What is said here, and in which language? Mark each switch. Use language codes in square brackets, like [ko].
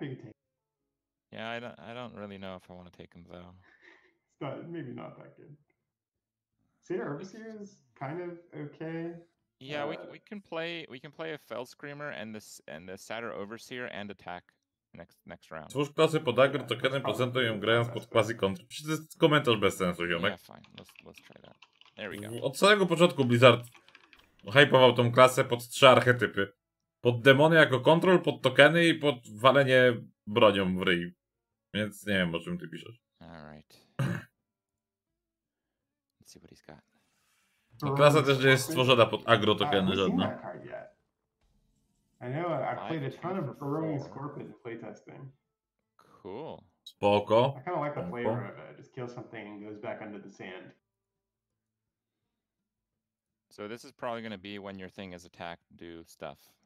[en] We can take. Yeah, I don't really know if I want to take him though. It's not, maybe not that good. Seer Herbiseer is kind of okay. Yeah, we can play a Fell Screamer and the Satyr Overseer and attack. Next round. [pl] Twórz klasy pod agro to kiedy procentuje ją grając pod quasi kontr. Przecież komentarz bez sensu, ziomek. [en] Yeah, fine. Let's try that. There we go. [pl] Od samego początku Blizzard hype'ował tą klasę pod 3 archetypy. Pod demony jako kontrol, pod tokeny i pod walenie bronią w ryj. Więc nie wiem, o czym ty piszesz. [en] Alright. Let's see what he's got. [pl] To klasa też nie jest stworzona pod agro tokeny żadna. [en] I know, I played a ton of Burrowing Scorpion playtesting. Cool. [pl] Spoko. [en] I kind of like the flavor of it. Just kill something and goes back under the sand. So this is probably going to be when your thing is attacked, do stuff.